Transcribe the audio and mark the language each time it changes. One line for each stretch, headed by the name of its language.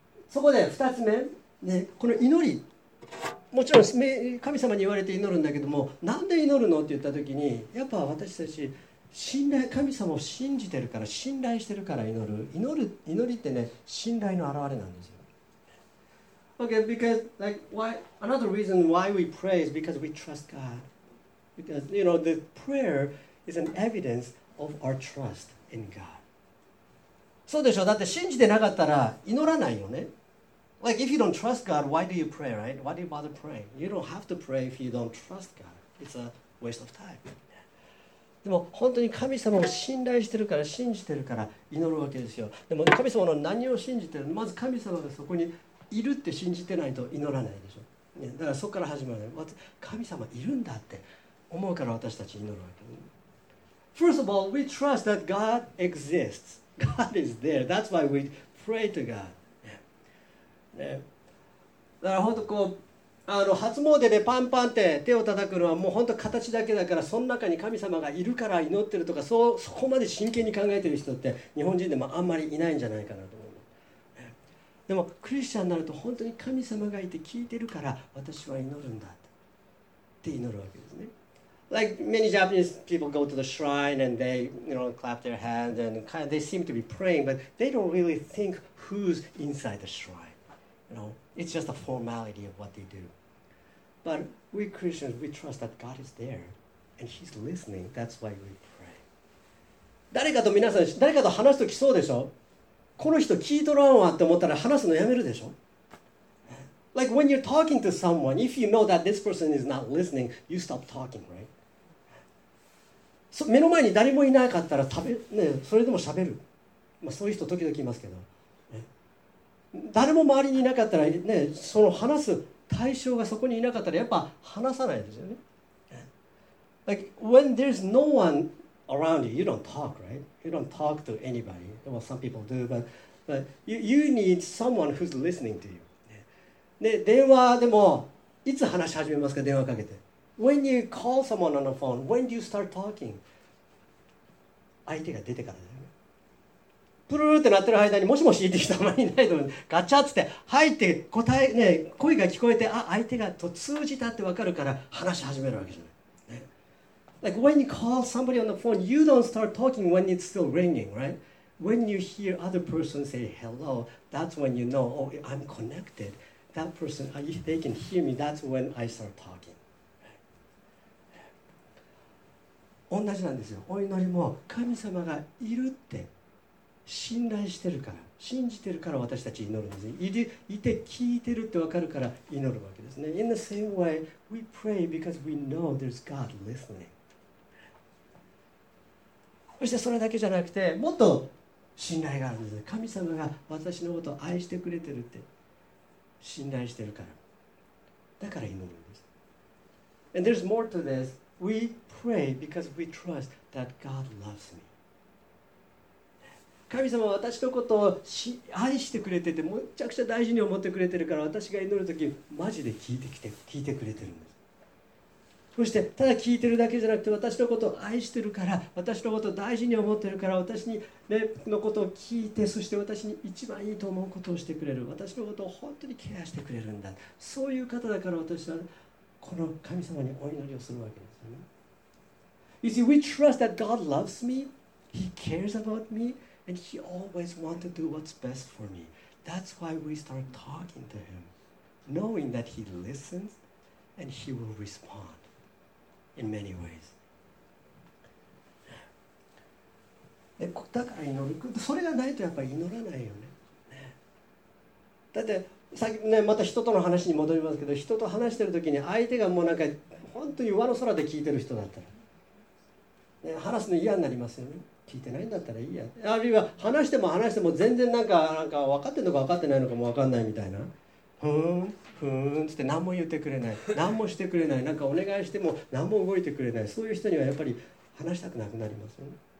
Japanese: そこで二つ目、ね、この祈り、もちろん神様に言われて祈るんだけども、なんで祈るのって言った時に、やっぱ私たち信頼、神様を信じてるから、信頼してるから祈る。祈りってね、信頼の表れなんですよ。
English: Okay, because like why another reason why we pray is because we trust God. Because you know the prayer. Is an evidence of our trust in God.
Japanese: そうでしょう。だって信じてなかったら祈らないよね。
English: Like if you don't trust God, why do you pray, right? Why do you bother praying? You don't have to pray if you don't trust God. It's a waste of time.
Japanese: でも本当に神様を信頼してるから信じてるから祈るわけですよ。でも神様の何を信じてるの？まず神様がそこにいるって信じてないと祈らないでしょ。だからそこから始まる。神様いるんだって思うから私たち祈るわけ。
English: First of all, we trust that God exists. God is there. That's why we pray to God.
Japanese: ね、だから本当こう初詣でパンパンって手を叩くのはもう本当形だけだから、その中に神様がいるから祈ってるとか、そこまで真剣に考えてる人って日本人でもあんまりいないんじゃないかなと思う、ね、でもクリスチャンになると本当に神様がいて聞いてるから私は祈るんだって祈るわけですね。
English: Like many Japanese people go to the shrine and they, you know, clap their hands and kind of, they seem to be praying, but they don't really think who's inside the shrine. You know, it's just a formality of what they do. But we Christians, we trust that God is there and he's listening. That's why we pray.
Japanese: 誰かと皆さん、誰かと話すときそうでしょ?この人聞いとらんわって思ったら話すのやめるでしょ?
English: Like when you're talking to someone, if you know that this person is not listening, you stop talking, right?
Japanese: 目の前に誰もいなかったら食べ、ね、それでも喋る。まあ、そういう人時々いますけど。誰も周りにいなかったら、ね、その話す対象がそこにいなかったらやっぱ話さないですよね。
English: Like when there's no one around you, you don't talk, right? You don't talk to anybody. Well, some people do, but you need someone who's listening to you.
Japanese: で、電話でもいつ話し始めますか?電話かけて。
English: When you call someone on the phone, when do you start talking?
Japanese: 相手が出てからだよね。プルルって鳴ってる間にもしもし言ってきたまりいないと思う。ガチャって入って答え、ね、声が聞こえて、あ、相手がと通じたって分かるから話し始めるわけじゃない。ね、
English: like when you call somebody on the phone, you don't start talking when it's still ringing, right? When you hear other person say hello, that's when you know, oh, I'm connected. That person, if they can hear me, that's when I start talking.
Japanese: 同じなんですよ。お祈りも神様がいるって信頼してるから信じてるから私たち祈るんですね。いて聞いてるって分かるから祈るわけですね。
English: In the same way we pray because we know there's God listening.
Japanese: そしてそれだけじゃなくてもっと信頼があるんですね。神様が私のことを愛してくれてるって信頼してるからだから祈るんです。
English: And there's more to this. We pray because we trust that God loves me.
Japanese: 神様は私のことを愛してくれてて、むちゃくちゃ大事に思ってくれてるから、私が祈るときマジで聞いてくれてるんです。そしてただ聞いてるだけじゃなくて、私のことを愛してるから、私のことを大事に思ってるから、私に、ね、のことを聞いて、そして私に一番いいと思うことをしてくれる、私のことを本当にケアしてくれるんだ。そういう方だから私は。この神様にお祈りをするわけですよね。
English: You see, we trust that God loves me, He cares about me, and He always wants to do what's best for me. That's why we start talking to Him, knowing that He listens and He will respond in many ways.
Japanese: だから祈る。それがないとやっぱり祈らないよね。ね。だって。ね、また人との話に戻りますけど、人と話してるときに相手がもうなんか本当に上の空で聞いてる人だったら、ね、話すの嫌になりますよね。聞いてないんだったらいいや。あるいは話しても話しても全然なんか分かってるのか分かってないのかも分かんないみたいな、ふーんふーんつって何も言ってくれない、何もしてくれない、なんかお願いしても何も動いてくれない、そういう人にはやっぱり話したくなくなりますよね。